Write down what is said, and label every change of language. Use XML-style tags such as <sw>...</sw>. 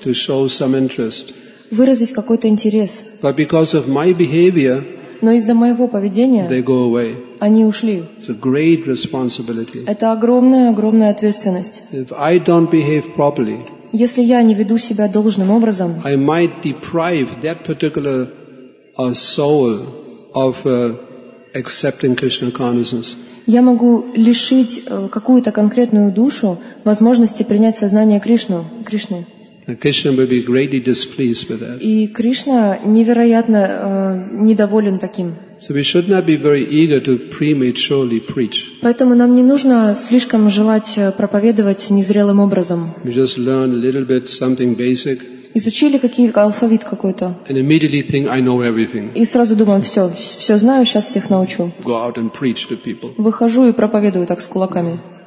<en>to show some interest,</en> <ru>выразить какой-то интерес.</ru> <en>But because of my behavior,</en> <ru>но из-за моего поведения</ru> <en>they go away.</en> <ru>Они ушли.</ru> <en>It's a great responsibility.</en> <ru>Это огромная-огромная ответственность.</ru> <en>If I don't behave properly,</en> <ru>если я не веду себя должным образом,</ru> <en>I might deprive that particular soul of accepting Krishna consciousness.</en> <ru>Я могу лишить какую-то конкретную душу возможности принять сознание Кришны.</ru> <en>Krishna will be greatly displeased with that.</en> <ru>И Кришна невероятно недоволен таким.</ru> <en>So we should not be very eager to prematurely preach.</en> <ru>Поэтому нам не нужно слишком желать проповедовать незрелым образом.</ru> <en>We just learn a little bit something basic.</en> <ru>Изучили какие-то алфавит какой-то.</ru> <en>And immediately think I know everything.</en> <ru>И сразу думаем, все, все знаю, сейчас всех научу.</ru> <en>Go out and preach to people.</en> <ru>Выхожу и проповедую так с кулаками.</ru>